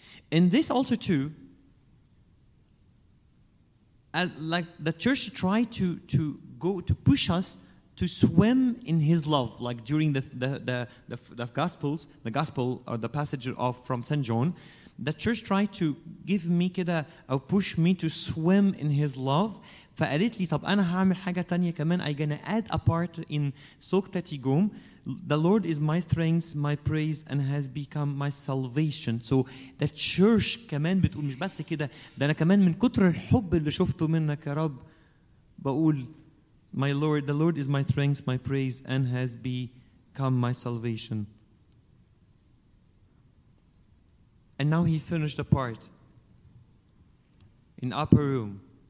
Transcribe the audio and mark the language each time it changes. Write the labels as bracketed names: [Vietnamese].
[English] In this altar too, like the church tried to push us to swim in his love, like during the gospel or the passage of from St. John, the church tried to give me كده or push me to swim in his love. [Arabic] فقالت لي طب أنا هعمل حاجة تانية كمان. [English] I'm gonna add a part in سوكتتي قوم. The Lord is my strength, my praise, and has become my salvation. So the church [Arabic] كمان بتقول مش بس كده. ده أنا كمان من كتر الحب اللي شفته منك يا رب بقول [English] my Lord, the Lord is my strength, my praise, and has become my salvation. And now he finished the part in upper room.